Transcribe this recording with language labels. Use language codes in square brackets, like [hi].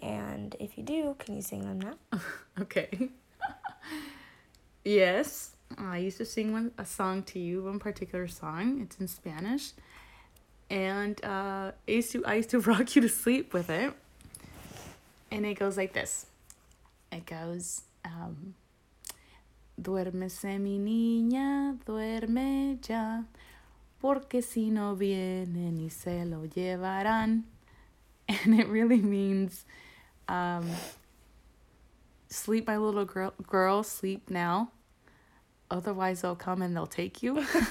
[en] And if you do, can you sing them now? Okay. Yes. I used to sing one particular song. It's in Spanish. And I used to rock you to sleep with it. And it goes like this. It goes, [es] duérmese mi niña, duerme ya, porque si no viene ni se lo llevarán. [en] And it really means, sleep my little girl, sleep now. Otherwise, they'll come and they'll take you.